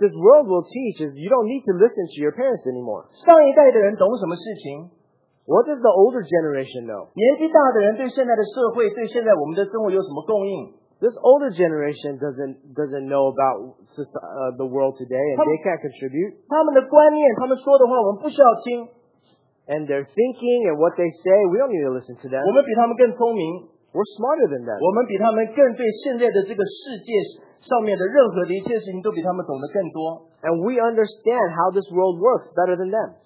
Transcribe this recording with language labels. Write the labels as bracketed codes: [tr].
[en] this world will teach is you don't need to listen to your parents anymore. [zh] 上一代的人懂什么事情? [en] What does the older generation know? [zh] 年纪大的人对现在的社会、对现在我们的生活有什么供应? [en] This older generation doesn't know about the world today and they can't contribute. [zh] 他们的观念、他们说的话我们不需要听。 [en] And their thinking and what they say, we don't need to listen to them. [zh] 我们比他们更聪明。 [en] We're smarter than that. [zh] 我们比他们更对现在的这个世界上面的任何的一切事情都比他们懂得更多。 [en] And we understand how this world works better than them.